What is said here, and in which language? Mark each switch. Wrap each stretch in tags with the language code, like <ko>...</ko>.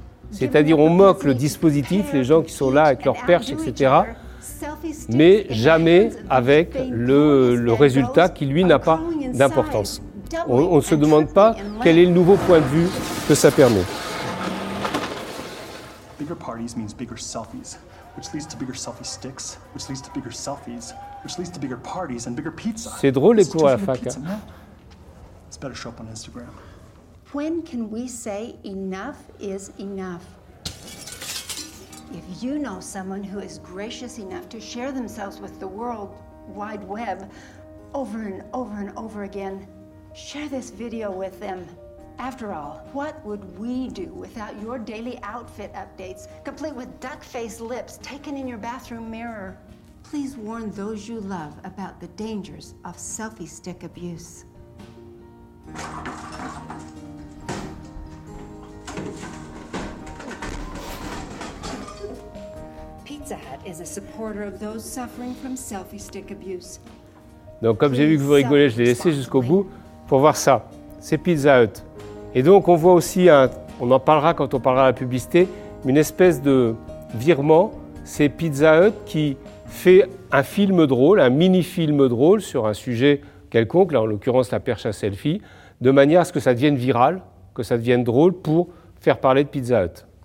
<fr>C'est-à-dire, on moque le dispositif, les gens qui sont là avec leur perche, etc., mais jamais avec le résultat qui, lui, n'a pas d'importance. On ne se demande pas quel est le nouveau point de vue que ça permet.</fr> <en>Bigger parties means bigger selfies. Which leads to bigger selfie sticks, which leads to bigger selfies, which leads to bigger parties and bigger pizza.</en> <fr>C'est drôle les cours à la fac. Hein.</fr> <en>It's better show up on Instagram. When can we say enough is enough? If you know someone who is gracious enough to share themselves with the world wide web over and over and over again, share this video with them. After all, what would we do without your daily outfit updates, complete with duck-faced lips taken in your bathroom mirror? Please warn those you love about the dangers of selfie stick abuse. Pizza Hut is a supporter of those suffering from selfie stick abuse.</en> <fr>Donc comme j'ai vu que vous rigolez, je l'ai laissé jusqu'au bout pour voir ça. C'est Pizza Hut. Et donc, on voit aussi, on en parlera quand on parlera de la publicité, une espèce de virement. C'est Pizza Hut qui fait un film drôle, un mini-film drôle sur un sujet quelconque, là en l'occurrence la perche à selfie, de manière à ce que ça devienne viral, que ça devienne drôle pour faire parler de Pizza Hut.</fr>